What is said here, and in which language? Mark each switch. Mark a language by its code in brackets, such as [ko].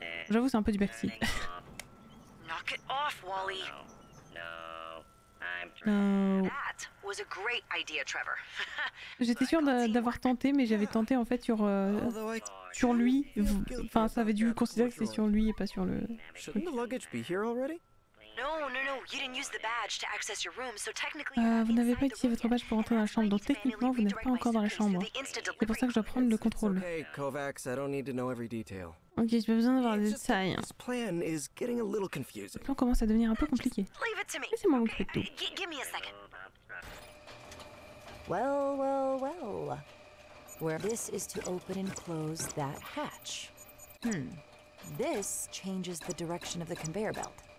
[fr] J'avoue, c'est un peu du backseat. [en] Knock it off, Wally. Oh, no. No. I'm That was a great idea, Trevor. [fr] J'étais sûr d'avoir tenté, mais j'avais tenté en fait sur sur lui. Enfin, ça avait dû considérer que c'est sur lui et pas sur le. [en] Shouldn't the luggage be here already? No, no, no. You didn't use the badge to access your room, so technically. [fr] Vous n'avez pas utilisé votre badge pour entrer dans la chambre, donc techniquement, vous n'êtes pas encore dans la chambre. C'est pour ça que je dois prendre le contrôle. [en] Okay, Kovacs, I don't need to know every detail. [fr] Ok, j'ai pas besoin d'avoir des détails. [en] This plan is getting a little confusing. [fr] Le plan commence à devenir un peu compliqué. Laissez-moi vous faire tout. [en] Give me a second. Well, well, well. Where this is to open and close that hatch. Hmm. This changes the direction of the conveyor belt.